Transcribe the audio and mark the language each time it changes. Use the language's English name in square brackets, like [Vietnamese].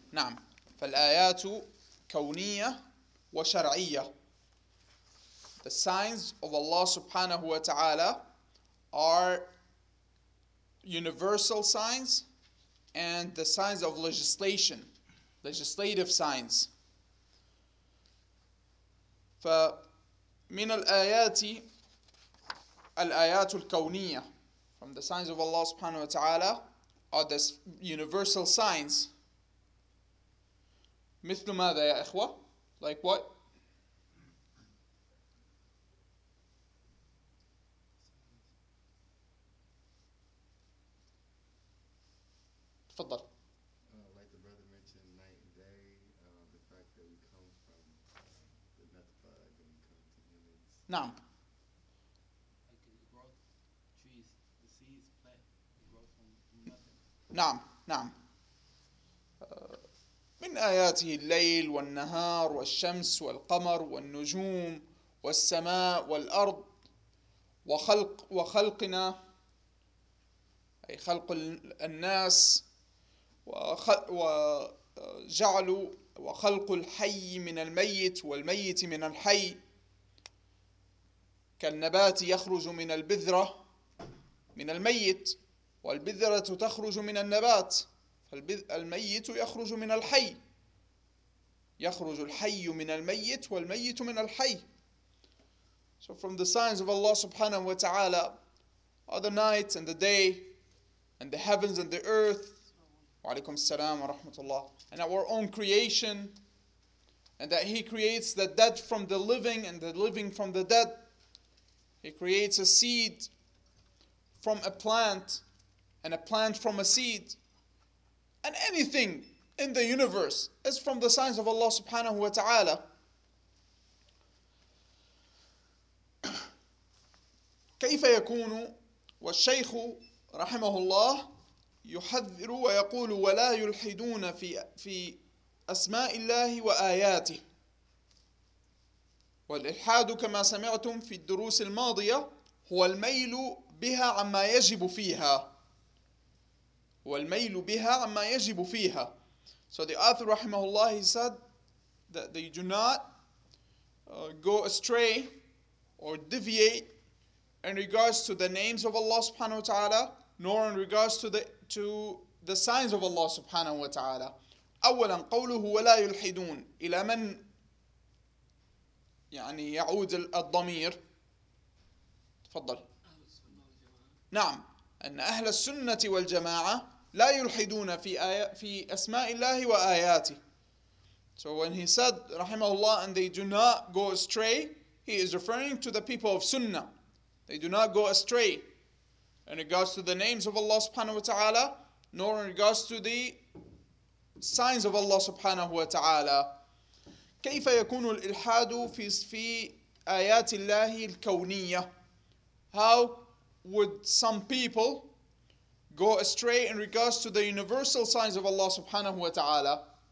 [Arabic] نعم، فالآيات كونية وشرعية. [English] The signs of Allah subhanahu wa ta'ala are universal signs and the signs of legislation, legislative signs. [Arabic] فمن الآيات الآيات الكونية. [English] From the signs of Allah subhanahu wa ta'ala are the universal signs. [Arabic] مثل ماذا يا إخوة؟ [English] Like what? Like the brother mentioned, night and day, the fact that we come from the Nutfa, then we come to humans. [Arabic] Naam. [English] Like the growth, trees, the seeds, plants, we grow from nothing. [Arabic] Naam, naam. من آياته الليل والنهار والشمس والقمر والنجوم والسماء والأرض وخلقنا, أي خلق الناس, وجعل وخلق الحي من الميت والميت من الحي, كالنبات يخرج من البذرة من الميت والبذرة تخرج من النبات, فالميت يخرج من الحي, يخرج الحي من الميت والميت من الحي. [English] So from the signs of Allah subhanahu wa ta'ala are the night and the day and the heavens and the earth. [Arabic] وعليكم السلام ورحمة الله. [English] And our own creation, and that He creates the dead from the living and the living from the dead. He creates a seed from a plant and a plant from a seed. And anything in the universe is from the signs of Allah subhanahu wa ta'ala. [Arabic] كيف يكون والشيخ رحمه الله يحذر ويقول ولا يلحدون في أسماء الله وآياته. والإلحاد كما سمعتم في الدروس الماضية هو الميل بها عما يجب فيها. والميل بها عما يجب فيها. [English] So the author رحمه الله said that they do not go astray or deviate in regards to the names of Allah subhanahu wa ta'ala, nor in regards to the signs of Allah subhanahu wa ta'ala. [Arabic] أولا قوله ولا يلحدون إلى من يعني يعود الضمير. تفضل. نعم, أن أهل السنة والجماعة لا يلحدون في أسماء الله وآياته. [English] So when he said رحمه الله, and they do not go astray He is referring to the people of Sunnah. They do not go astray in regards to the names of Allah subhanahu wa ta'ala, nor in regards to the signs of Allah subhanahu wa ta'ala. [Arabic] كيف يكون الإلحاد في آيات الله الكونية؟ [English] How would some people go astray in regards to the universal signs of Allah subhanahu wa ta'ala?